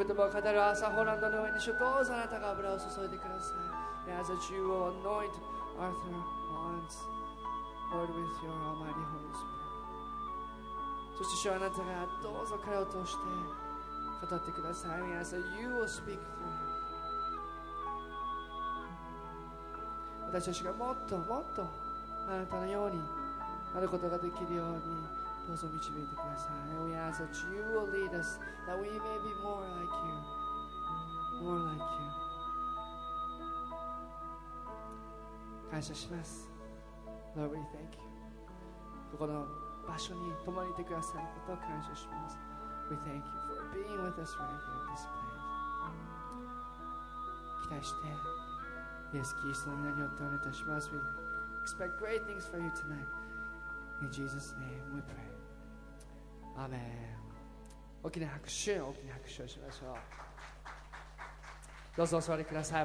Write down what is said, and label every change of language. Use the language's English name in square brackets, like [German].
[Japanese] 御言葉を語る朝、ホランドの上に主、どうぞあなたが油を注いでください。 [English] And as that you will anoint Arthur Hans, Lord, with your almighty Holy Spirit. [Japanese] そして主はあなたがどうぞ彼を通して語ってください。 [English] We ask that you will speak through him. [Japanese] 私たちがもっともっとあなたのようになることができるようにどうぞ導いてください。 [English] We ask that you will lead us, that we may be more like you, more like you. [Japanese] 感謝します。 [English] Lord, we thank you. [Japanese] ここの場所に泊まりてくださることを感謝します。 [English] We thank you for being with us right here in this place. [Japanese] 期待して、イエス・キリストの名によってお祈りいたします。 [English] We expect great things for you tonight. In Jesus' name we pray. Amen. [Japanese] 大きな拍手、大きな拍手をしましょう。どうぞお座りください。